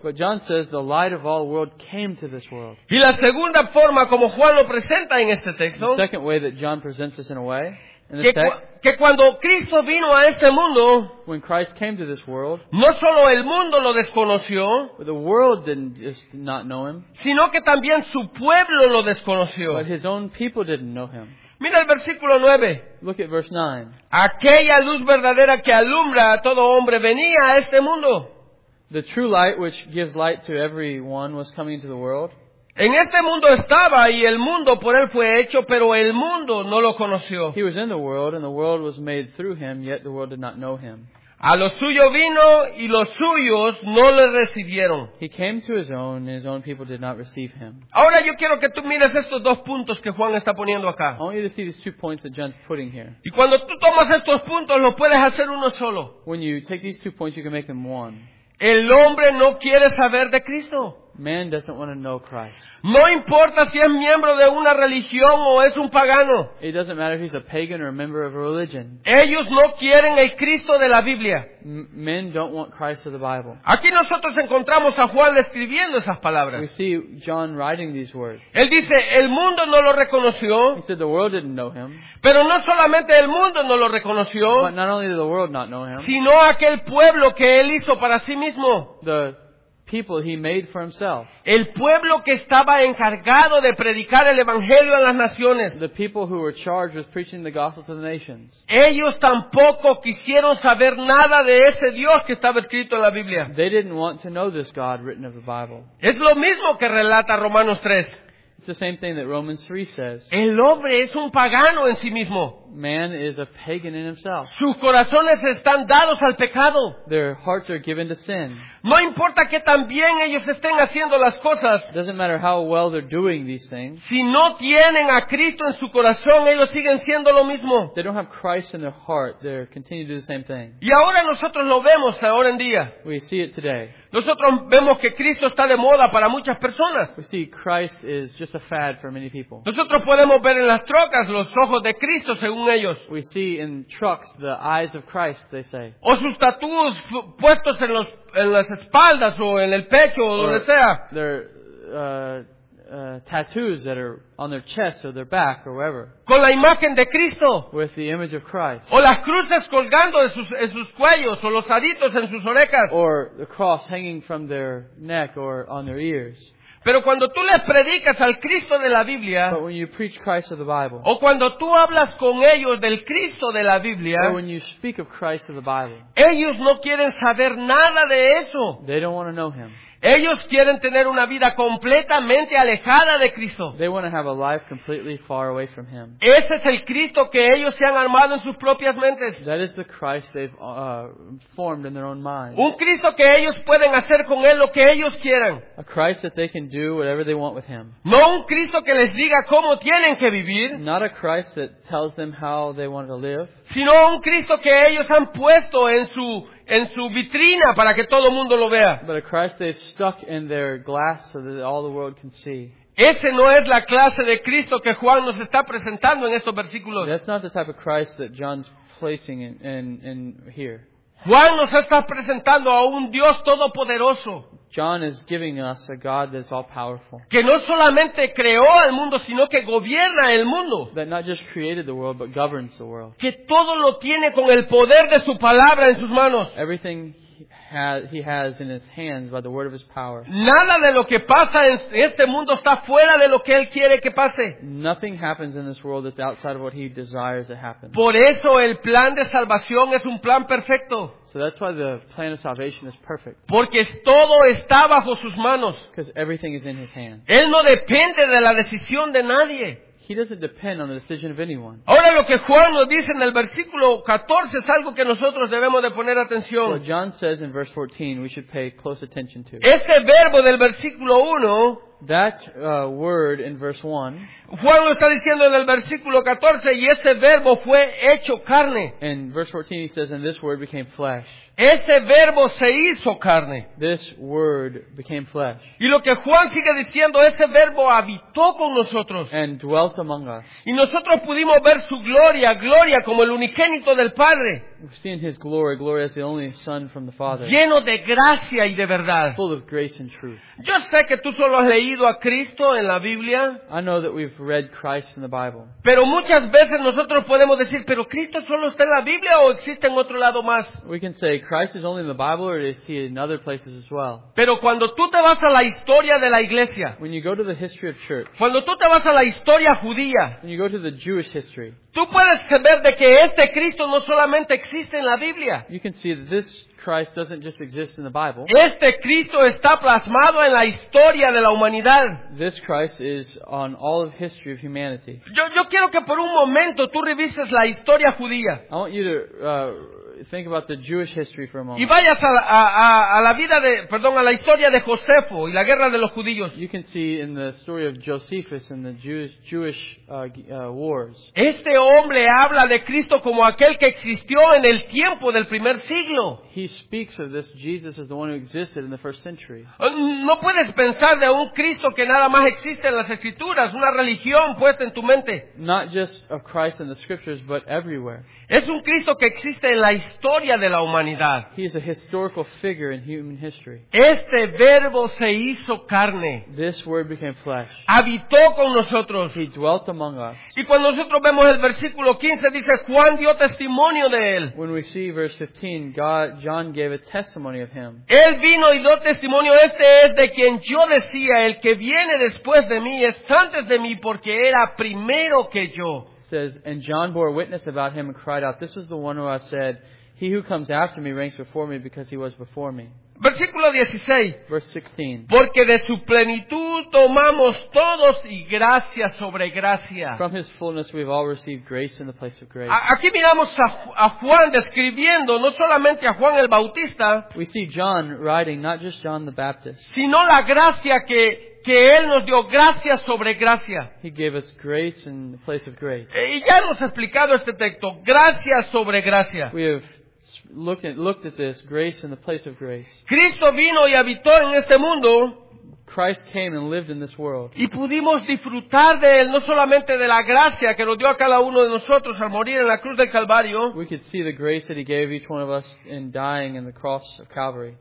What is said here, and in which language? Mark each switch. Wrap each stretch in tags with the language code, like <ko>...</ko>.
<en>But John says, the light of all world came to this world.</en> <es>Y la segunda forma como Juan lo presenta en este texto,</es> <en>the second way that John presents this in a way, in</en> <es>que,</es> <en>the text,</en> <es>que cuando Cristo vino a este mundo,</es> <en>when Christ came to this world,</en> <es>no solo el mundo lo desconoció,</es> <en>but the world didn't just not know him,</en> <es>sino que también su pueblo lo desconoció.</es> <en>But his own people didn't know him.</en> <es>Mira el versículo 9.</es> <en>Look at verse 9.</en> <es>Aquella luz verdadera que alumbra a todo hombre venía a este mundo.</es> <en>The true light which gives light to everyone was coming into the world.</en> <es>En este mundo estaba y el mundo por él fue hecho, pero el mundo no lo conoció.</es> <en>He was in the world and the world was made through him, yet the world did not know him.</en> <es>A lo suyo vino y los suyos no le recibieron.</es> <en>He came to his own and his own people did not receive him.</en> <es>Ahora yo quiero que tú mires estos dos puntos que Juan está poniendo acá.</es> <en>I want you to see these two points that John's putting here.</en> <es>Y cuando tú tomas estos puntos, los puedes hacer uno solo.</es> <en>When you take these two points, you can make them one.</en> <es>El hombre no quiere saber de Cristo.</es> <en>Man doesn't want to know Christ.</en> <es>No importa si es miembro de una religión o es un pagano.</es> <en>It doesn't matter if he's a pagan or a member of a religion.</en> <es>Ellos no quieren el Cristo de la Biblia.</es> <en>Men don't want Christ of the Bible.</en> <es>Aquí nosotros encontramos a Juan escribiendo esas palabras.</es> <en>We see John writing these words.</en> <es>Él dice, el mundo no lo reconoció.</es> <en>He said the world didn't know him.</en> <es>Pero no solamente el mundo no lo reconoció.</es> <en>But not only did the world not know him.</en> <es>Sino aquel pueblo que él hizo para sí mismo.</es> <en>The people he made for himself.</en> <es>El pueblo que estaba encargado de predicar el evangelio a las naciones.</es> <en>The people who were charged with preaching the gospel to the nations.</en> <es>Ellos tampoco quisieron saber nada de ese Dios que estaba escrito en la Biblia.</es> <en>They didn't want to know this God written of the Bible.</en> <es>Es lo mismo que relata Romanos 3.</es> <en>It's the same thing that Romans 3 says.</en> <es>El hombre es un pagano en sí mismo.</es> <en>Man is a pagan in himself.</en> <es>Sus corazones están dados al pecado.</es> <en>Their hearts are given to sin.</en> <es>No importa que tan bien ellos estén haciendo las cosas.</es> <en>It doesn't matter how well they're doing these things.</en> <es>Si no tienen a Cristo en su corazón, ellos siguen siendo lo mismo.</es> <en>They don't have Christ in their heart. They're continuing to do the same thing.</en> <es>Y ahora nosotros lo vemos ahora en día.</es> <en>We see it today.</en> <es>Nosotros vemos que Cristo está de moda para muchas personas.</es> <en>We see Christ is just a fad for many people.</en> <es>Nosotros podemos ver en las trocas los ojos de Cristo según ellos.</es> <en>We see in trucks the eyes of Christ, they say.</en> <es>O sus tatuajes puestos en los en las espaldas o en el pecho o donde sea.</es> <en>Their tattoos that are on their chest or their back or wherever.</en> <es>Con la imagen de Cristo.</es> <en>With the image of Christ.</en> <es>O las cruces colgando en sus cuellos o los aritos en sus orejas.</es> <en>Or the cross hanging from their neck or on their ears.</en> <es>Pero cuando tú le predicas al Cristo de la Biblia,</es> <en>but when you preach Christ of the Bible,</en> <es>o cuando tú hablas con ellos del Cristo de la Biblia,</es> <en>or when you speak of Christ of the Bible,</en> <es>ellos no quieren saber nada de eso.</es> <en>They don't want to know him.</en> <es>Ellos quieren tener una vida completamente alejada de Cristo.</es> <en>They want to have a life completely far away from him.</en> <es>Ese es el Cristo que ellos se han armado en sus propias mentes.</es> <en>That is the Christ they've formed in their own minds.</en> <es>Un Cristo que ellos pueden hacer con él lo que ellos quieran.</es> <en>A Christ that they can do whatever they want with him.</en> <es>No un Cristo que les diga cómo tienen que vivir.</es> <en>Not a Christ that tells them how they want to live.</en> <es>Sino un Cristo que ellos han puesto en su vitrina para que todo el mundo lo vea.</es> <en>But a Christ they stuck in their glass so that all the world can see.</en> <es>Ese no es la clase de Cristo que Juan nos está presentando en estos versículos.</es> <en>That's not the type of Christ that John's placing in here.</en> <es>Juan nos está presentando a un Dios todopoderoso.</es> <en>John is giving us a God that's all powerful.</en> <es>Que no solamente creó al mundo, sino que gobierna el mundo.</es> <en>That not just created the world, but governs the world.</en> <es>Que todo lo tiene con el poder de su palabra en sus manos.</es> <en>Everything he has in his hands by the word of his power.</en> <es>Nada de lo que pasa en este mundo está fuera de lo que él quiere que pase.</es> <en>Nothing happens in this world that's outside of what he desires to happen.</en> <es>Por eso el plan de salvación es un plan perfecto.</es> <en>So that's why the plan of salvation is perfect.</en> <es>Porque todo está bajo sus manos.</es> <en>Because everything is in his hands.</en> <es>Él no depende de la decisión de nadie.</es> <en>He doesn't depend on the decision of anyone.</en> <es>Ahora lo que Juan nos dice en el versículo 14 es algo que nosotros debemos de poner atención.</es> <en>What John says in verse 14 we should pay close attention to.</en> <es>Ese verbo del versículo 1,</es> <en>that word in verse 1,</en> <es>Juan lo está diciendo en el versículo 14, y ese verbo fue hecho carne.</es> <en>In verse 14 he says, and this word became flesh.</en> <es>Ese verbo se hizo carne.</es> <en>This word became flesh.</en> <es>Y lo que Juan sigue diciendo, ese verbo habitó con nosotros.</es> <en>And dwelt among us.</en> <es>Y nosotros pudimos ver su gloria, gloria como el unigénito del Padre.</es> <en>We've seen his glory, glory as the only Son from the Father.</en> <es>Lleno de gracia y de verdad.</es> <en>Full of grace and truth.</en> <es>Yo sé que tú solo has leído a Cristo en la Biblia.</es> <en>I know that we've read Christ in the Bible.</en> <es>Pero muchas veces nosotros podemos decir, ¿pero Cristo solo está en la Biblia o existe en otro lado más?</es> <en>We can say, Christ is only in the Bible, or is he in other places as well?</en> <es>Pero cuando tú te vas a la historia de la iglesia,</es> <en>when you go to the history of church,</en> <es>cuando tú te vas a la historia judía,</es> <en>when you go to the Jewish history,</en> <es>tú puedes saber de que este Cristo no solamente existe en la Biblia.</es> <en>You can see that this Christ doesn't just exist in the Bible.</en> <es>Este Cristo está plasmado en la historia de la humanidad.</es> <en>This Christ is on all of history of humanity.</en> <es>Yo quiero que por un momento tú revises la historia judía.</es> <en>I want you to think about the Jewish history for a moment.</en> <es>Y vayas a la historia de Josefo y la guerra de los judíos.</es> <en>You can see in the story of Josephus and the Jewish wars.</en> <es>Este hombre habla de Cristo como aquel que existió en el tiempo del primer siglo.</es> <en>He speaks of this Jesus as the one who existed in the first century.</en> <es>No puedes pensar de un Cristo que nada más existe en las escrituras, una religión puesta en tu mente.</es> <en>Not just of Christ in the scriptures, but everywhere.</en> <es>Es un Cristo que existe en la historia de la humanidad.</es> <en>He is a historical figure in human history.</en> <es>Este verbo se hizo carne.</es> <en>This word became flesh.</en> <es>Habitó con nosotros.</es> <en>He dwelt among us.</en> <es>Y cuando nosotros vemos el versículo 15, dice Juan dio testimonio de él.</es> <en>When we see verse 15, John gave a testimony of him.</en> <es>Él vino y dio testimonio, este es de quien yo decía, el que viene después de mí es antes de mí porque era primero que yo.</es> <en>Says, and John bore witness about him and cried out, this is the one who I said, he who comes after me ranks before me because he was before me.</en> <es>Versículo 16.</es> <en>Verse 16.</en> <es>Porque de su plenitud tomamos todos y gracia sobre gracia.</es> <en>From his fullness we've all received grace in the place of grace.</en> <es>Aquí miramos a Juan describiendo no solamente a Juan el Bautista.</es> <en>We see John writing, not just John the Baptist.</en> <es>Sino la gracia que Él nos dio gracia sobre gracia.</es> <en>He gave us grace in the place of grace.</en> <es>Y ya hemos explicado este texto, gracia sobre gracia.</es> <en>We have looked at this, grace in the place of grace.</en> <es>Cristo vino y habitó en este mundo.</es> <en>Christ came and lived in this world.</en> <es>Y pudimos disfrutar de Él, no solamente de la gracia que nos dio a cada uno de nosotros al morir en la cruz del Calvario.</es> <en>We could see the grace that He gave each one of us in dying in the cross of Calvary.</en>